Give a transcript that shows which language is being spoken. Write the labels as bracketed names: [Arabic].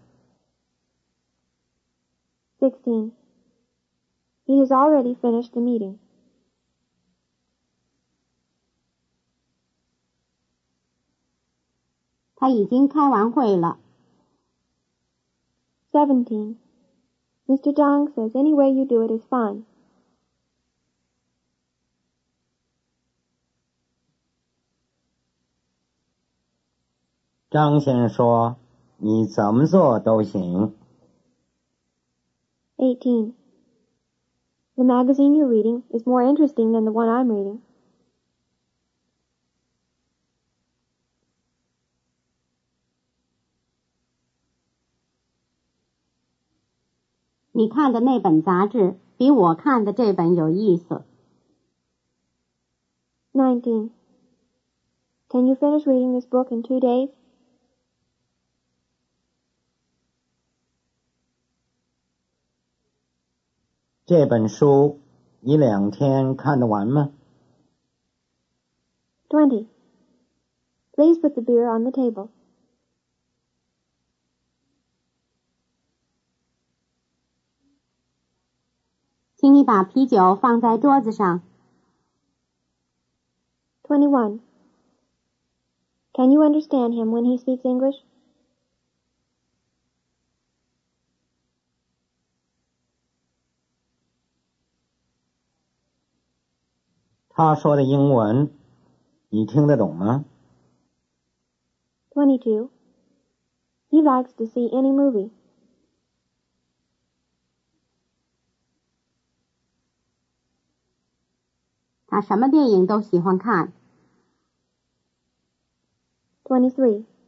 [Chinese] 请你把书架子上的那本字典拿下来。16. [English] He has already finished the meeting. [Chinese] 他已经开完会了。17. [English] Mr. Zhang says any way you do it is fine. [Chinese] 张先生说你怎么做都行。18. [English] The magazine you're reading is more interesting than the one I'm reading. [Chinese] 你看的那本杂志比我看的这本有意思。 19. [English] Can you finish reading this book in 2 days? [Chinese] 这本书你两天看得完吗？ 20. [English] Please put the beer on the table. [Chinese] 请你把啤酒放在桌子上。 21. [English] Can you understand him when he speaks English? [Chinese] 他说的英文你听得懂吗？ [English] 22. He likes to see any movie. [Chinese] 他什么电影都喜欢看。 23.